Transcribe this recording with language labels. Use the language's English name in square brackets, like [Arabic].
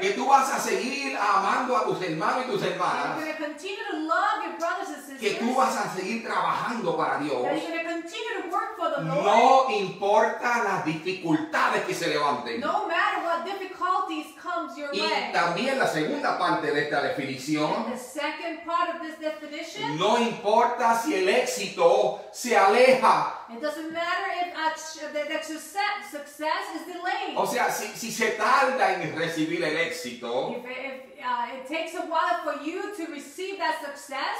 [Spanish] Que tú vas a seguir amando a tus hermanos y tus hermanas. [English] And you're going to continue to love your brothers and sisters. [Spanish] Que tú vas a seguir trabajando para Dios. [English] That you're going to continue continue to work for the Lord. [Spanish] No importa las dificultades que se levanten. [English] No matter what difficulties comes your [Spanish] y [English] way. [Spanish] Y también la segunda parte de esta definición. [English] And the second part of this definition. [Spanish] No importa si el éxito se aleja. [English] It doesn't matter if that success is delayed. [Spanish] O sea, si se tarda en recibir el éxito. [English] It takes a while for you to receive that success.